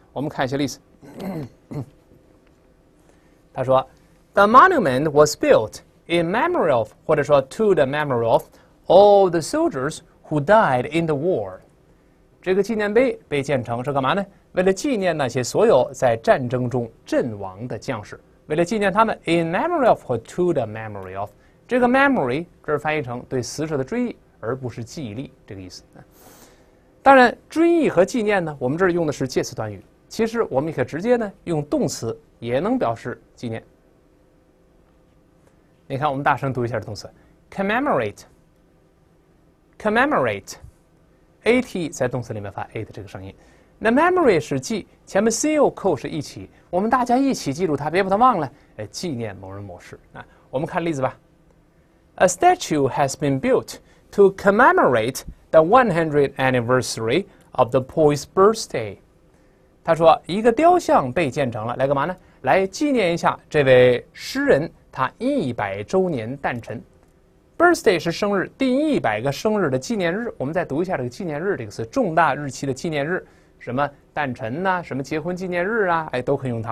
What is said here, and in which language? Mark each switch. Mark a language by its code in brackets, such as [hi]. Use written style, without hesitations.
[zh] 我们看一下例子，他说 [en] ，The monument was built in memory of [zh] 或者说 [en] to the memory of all the soldiers who died in the war。 [zh] 这个纪念碑被建成是干嘛呢？为了纪念那些所有在战争中阵亡的将士，为了纪念他们 ， [en] in memory of [zh] 或 [en] to the memory of。 [zh] 这个 memory 这是翻译成对死者的追忆，而不是记忆力这个意思。当然，追忆和纪念呢，我们这儿用的是介词短语。其实我们也可以直接呢用动词，也能表示纪念。你看，我们大声读一下动词 commemorate，commemorate，at 在动词里面发 at 这个声音。那 memory 是记，前面 co 扣是一起，我们大家一起记住它，别把它忘了。纪念某人某事啊。我们看例子吧。 [en] A statue has been built to commemorate the 100th anniversary of the boy's birthday. [zh] 他说，一个雕像被建成了，来干嘛呢？来纪念一下这位诗人他100周年诞辰。 Birthday 是生日，第100个生日的纪念日。我们再读一下这个纪念日这个词，重大日期的纪念日，什么诞辰呐、啊，什么结婚纪念日啊，哎，都可以用它。